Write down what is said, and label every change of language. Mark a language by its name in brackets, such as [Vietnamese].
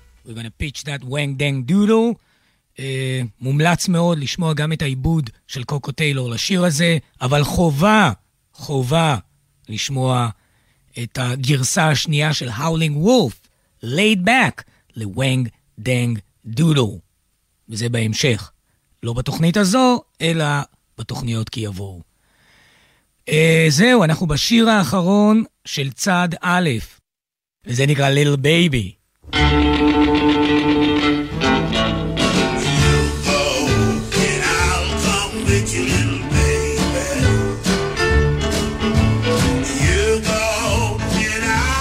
[English] We're gonna pitch that wang dang doodle. [Hebrew] מומלץ מאוד לשמוע גם את העיבוד של קוקו טיילור לשיר הזה, אבל חובה, חובה לשמוע את הגרסה השנייה של Howling Wolf, [English] laid back [Hebrew] ל-wang dang doodle. וזה בהמשך. לא בתוכנית הזו, אלא בתוכניות כי יבואו. זהו, אנחנו בשיר האחרון של צד א', וזה נקרא Little Baby. [English] You go and I'll come with you, little baby. You go and I'll